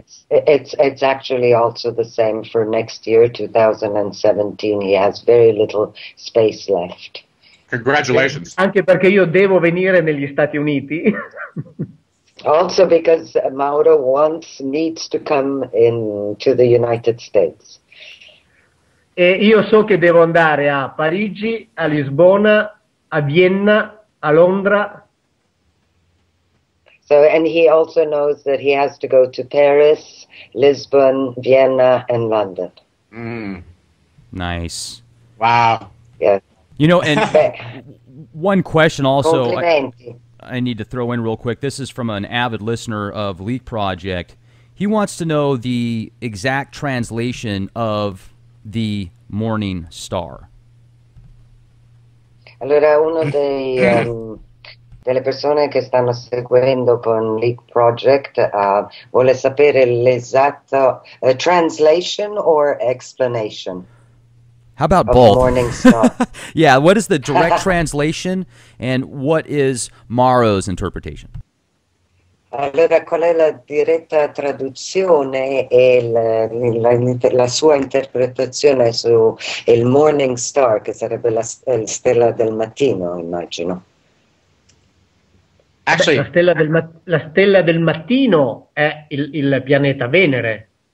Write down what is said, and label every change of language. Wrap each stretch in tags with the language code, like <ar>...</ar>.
<en>It's actually also the same for next year, 2017. He has very little space left. Congratulations!</en> <it>Anche perché io devo venire negli Stati Uniti.</it> <en>Also because Mauro needs to come to the United States.</en> <it>E io so che devo andare a Parigi, a Lisbona, a Vienna, a Londra.</it> <en>So, and he also knows that he has to go to Paris, Lisbon, Vienna, and London. Mm. Nice. Wow. Yeah. You know, and one question also.</en> <it>Complimenti.</it> <en>I need to throw in real quick. This is from an avid listener of Leak Project. He wants to know the exact translation of the morning star.</en> <it>Allora, uno dei delle persone che stanno seguendo con Leak Project vuole sapere l'esatto</it> <en>translation or explanation. How about both? Yeah, what is the direct translation and what is Mauro's interpretation?</en> <it>Allora, qual è la diretta traduzione e la sua interpretazione su il Morning Star, che sarebbe la stella del mattino, immagino. Actually, la stella del mattino è il pianeta Venere.</it>